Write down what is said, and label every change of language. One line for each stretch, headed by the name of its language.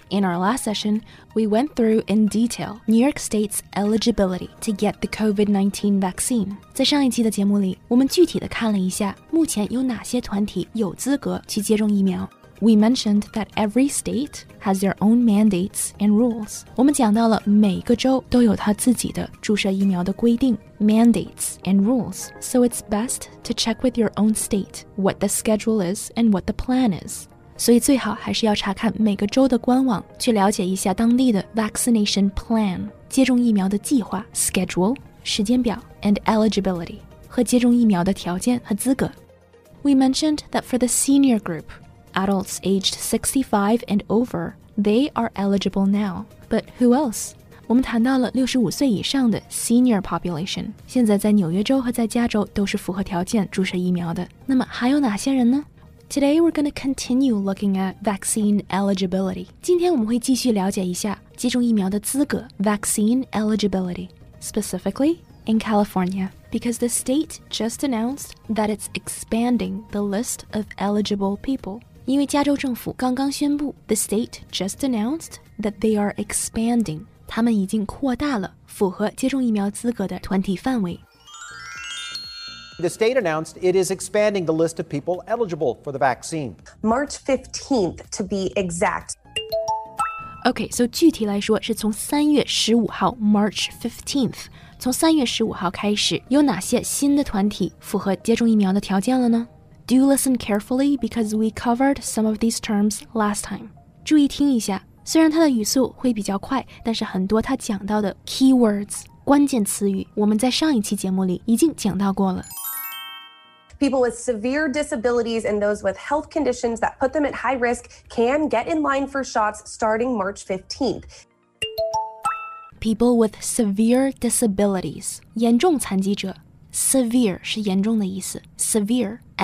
English: In our last session, we went through in detail New York State's eligibility to get the COVID-19 vaccine.
Chinese: 在上一期的节目里，我们具体的看了一下目前有哪些团体有资格去接种疫苗。
English: We mentioned that every state has their own mandates and rules.
Chinese: 我们讲到了每个州都有它自己的注射疫苗的规定
English: mandates and rules. So it's best to check with your own state what the schedule is and what the plan is.
Chinese: 所以最好还是要查看每个州的官网，去了解一下当地的 vaccination plan 接种疫苗的计划
English: schedule
Chinese: 时间表
English: and eligibility
Chinese: 和接种疫苗的条件和资格。
English: We mentioned that for the senior group, adults aged 65 and over, they are eligible now. But who else?
Chinese: 我们谈到了65岁以上的 senior population，现在在纽约州和在加州都是符合条件注射疫苗的。那么还有哪些人呢？
English: Today, we're going to continue looking at vaccine eligibility.
Chinese: 今天我们会继续了解一下接种疫苗的资格
English: vaccine eligibility. Specifically, in California. Because the state just announced that it's expanding the list of eligible people.
Chinese: 因为加州政府刚刚宣布
English: The state just announced that they are expanding.
Chinese: 他们已经扩大了符合接种疫苗资格的团体范围。
English: The state announced it is expanding the list of people eligible for the vaccine. March 15th, to be exact.
Chinese: Okay, so 具体来说是从3月15号 March 15th, 从3月15号开始有哪些新的团体符合接种疫苗的条件了呢?
English: Do listen carefully because we covered some of these terms last time.
Chinese: 注意听一下,虽然它的语速会比较快,但是很多它讲到的 keywords,关键词语我们在上一期节目里已经讲到过了。
English: People with severe disabilities and those with health conditions that put them at high risk can get in line for shots starting March 15th. People with severe disabilities,
Chinese: 严重残疾者 severe 是严重的意思 severe,